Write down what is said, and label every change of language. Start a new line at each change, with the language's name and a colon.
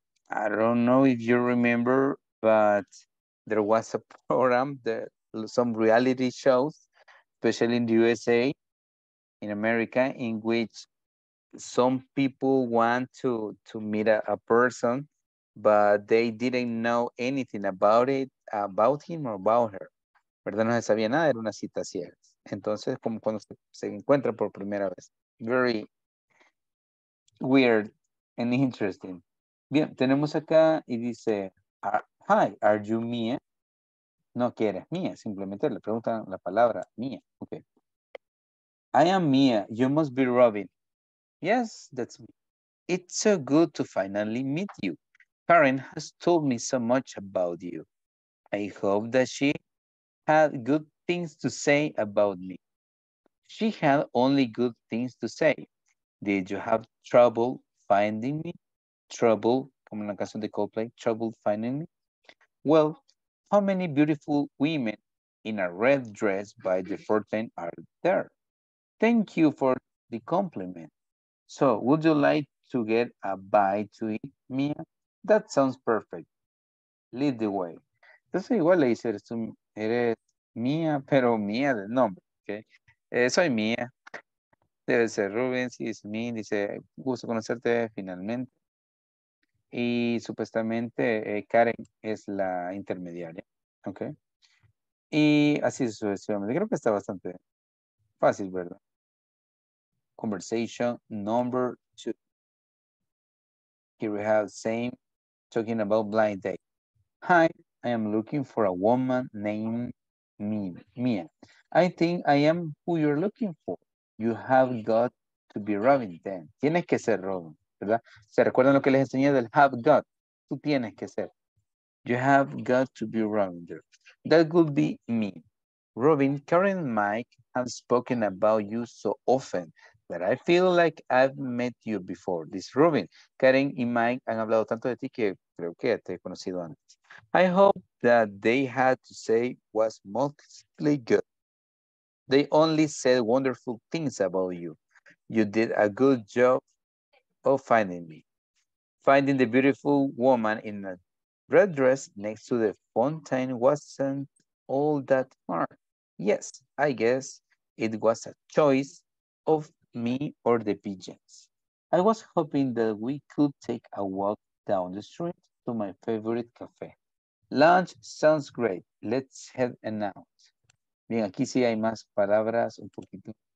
English: I don't know if you remember, but there was a program that some reality shows, especially in the USA. In America, in which some people want to meet a person, but they didn't know anything about it, about him or about her.
Spanish: ¿Verdad? No se sabía nada, era una cita ciega. Entonces, como cuando se encuentra por primera vez.
English: Very weird and interesting.
Spanish: Bien, tenemos acá y dice,
English: hi, are you Mia?
Spanish: No, que eres Mia, simplemente le preguntan la palabra Mia.
English: Okay. I am Mia. You must be Robin. Yes, that's me. It's so good to finally meet you. Karen has told me so much about you. I hope that she had good things to say about me. She had only good things to say. Did you have trouble finding me?
Spanish: Trouble, como en la canción de Coldplay,
English: trouble finding me? Well, how many beautiful women in a red dress by the fountain are there? Thank you for the compliment. So, would you like to get a bite to eat, Mia? That sounds perfect. Lead the way.
Spanish: Entonces, igual le dice, eres Mia, pero Mia del nombre. Okay? Soy Mia. Debe ser Rubens, y es mi. Dice, gusto conocerte finalmente. Y supuestamente Karen es la intermediaria. Okay? Y así sucesivamente. Creo que está bastante fácil, ¿verdad?
English: Conversation number two. Here we have same talking about blind date. Hi, I am looking for a woman named Mia. I think I am who you're looking for. You have got to be Robin then.
Spanish: Tienes que ser Robin, ¿verdad? ¿Se recuerdan lo que les enseñé del have got? Tú tienes que ser.
English: You have got to be Robin there. That would be me. Robin, Karen and Mike have spoken about you so often that I feel like I've met you before.
Spanish: This Robin, Karen y Mike han hablado tanto de ti que creo que te he conocido antes.
English: I hope that they had to say was mostly good. They only said wonderful things about you. You did a good job of finding me. Finding the beautiful woman in a red dress next to the fountain wasn't all that hard. Yes, I guess it was a choice of me or the pigeons. I was hoping that we could take a walk down the street to my favorite cafe. Lunch sounds great. Let's head and out.
Spanish: Bien, aquí sí hay más palabras un poquito.